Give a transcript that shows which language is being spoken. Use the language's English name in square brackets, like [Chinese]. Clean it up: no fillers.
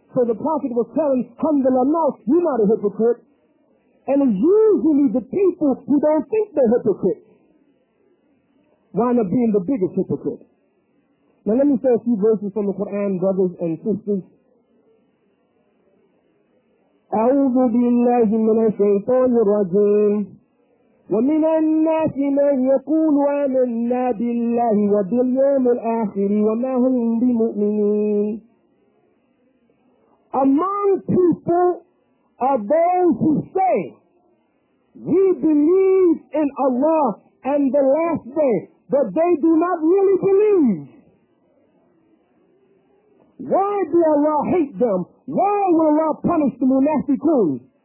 [English] So the Prophet was telling, Alhamdulillah, no, you're not a hypocrite. And it's usually the people who don't think they're hypocrites wind up being the biggest hypocrite. Now let me say a few verses from the Quran, brothers and sisters. [Arabic] أعوذ بالله من الشيطان الرجيم ومن الناس من يقول آمنا بالله وباليوم الآخر وما هم بمؤمنين. [English] Among people are those who say, we believe in Allah and the last day, but they do not really believe. Why do Allah hate them? Why will Allah punish the munafiqun?